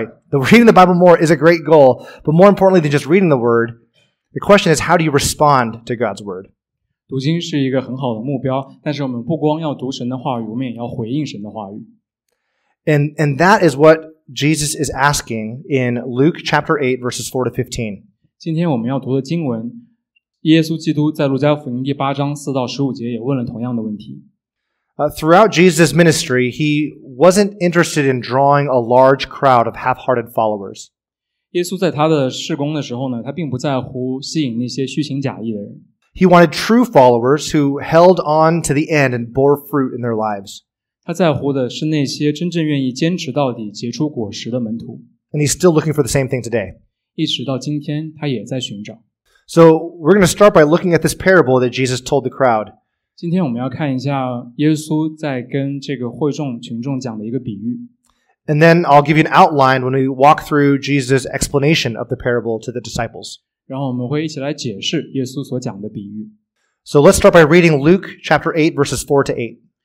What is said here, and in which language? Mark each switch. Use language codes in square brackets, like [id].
[en] Reading the Bible more is a great goal, but more importantly than just reading the Word, the question is how do you respond to God's Word? [zh] 读经是一个很好的目标，但是我们不光要读神的话语，我们也要回应神的话语。 [en] And that is what Jesus is asking in Luke chapter 8, verses 4 to 15. [zh] 今天我们要读的经文，耶稣基督在路加福音第八章四到十五节也问了同样的问题。 [en] Throughout Jesus' ministry, he wasn't interested in drawing a large crowd of half-hearted followers. [zh] 耶稣在他的事工的时候呢，他并不在乎吸引那些虚情假意的人。 [en] He wanted true followers who held on to the end and bore fruit in their lives. [zh] 他在乎的是那些真正愿意坚持到底、结出果实的门徒。 [en] And he's still looking for the same thing today. [zh] 一直到今天，他也在寻找。 [en] So we're going to start by looking at this parable that Jesus told the crowd. [zh] 今天我们要看一下耶稣在跟这个会众、群众讲的一个比喻。 [en] And then I'll give you an outline when we walk through Jesus' explanation of the parable to the disciples. [zh] 然后我们会一起来解释耶稣所讲的比喻。 [en] So let's start by reading Luke chapter 8 verses 4 to 8.